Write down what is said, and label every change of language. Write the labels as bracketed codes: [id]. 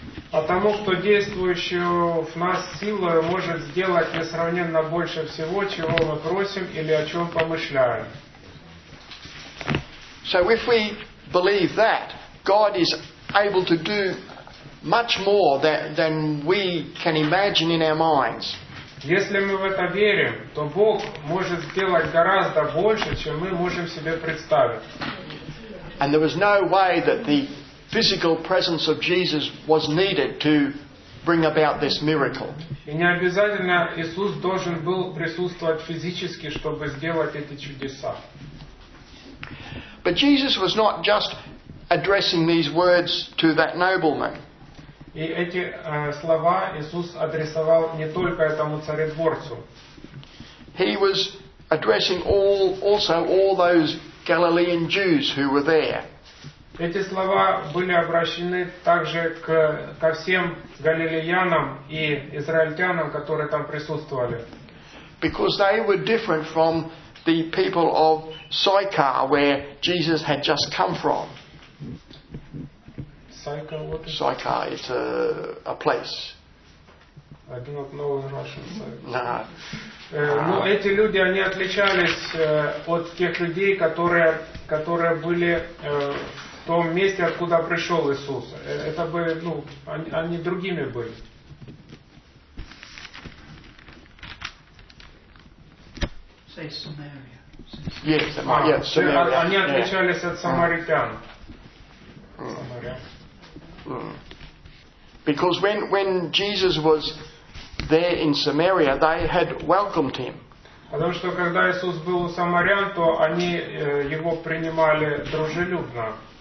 [ru] Потому что действующего в нас силою может сделать несравненно больше всего, чего мы просим или о чем помышляем. [en] So if we believe that, God is able to do much more than we can imagine in our minds. [ru] Если мы в это верим, то Бог может сделать гораздо больше, чем мы можем себе представить. [en] And there was no way that the physical presence of Jesus was needed to bring about this miracle. [ru] И не обязательно Иисус должен был присутствовать физически, чтобы сделать эти чудеса. [en] But Jesus was not just addressing these words to that nobleman. [ru] И эти слова Иисус адресовал не только этому царедворцу. [en] He was addressing also all those Galilean Jews who were there. [ru] Эти слова были обращены также ко всем галилеянам и израильтянам, которые там присутствовали. [en] Because they were different from the people of Sychar, where Jesus had just come from. Sychar, it's a place. I do not know Russian Sychar. No. [ru] Но эти люди, они отличались от тех людей, которые были в том месте, откуда пришел Иисус. Это были, ну, они другими были. [en] Say Samaria. Yes, Samaria. [ru] Они отличались от самаритян. [en] Because when Jesus was there in Samaria, they had welcomed him. [ru] Потому что когда Иисус был у самарян, то они его принимали дружелюбно.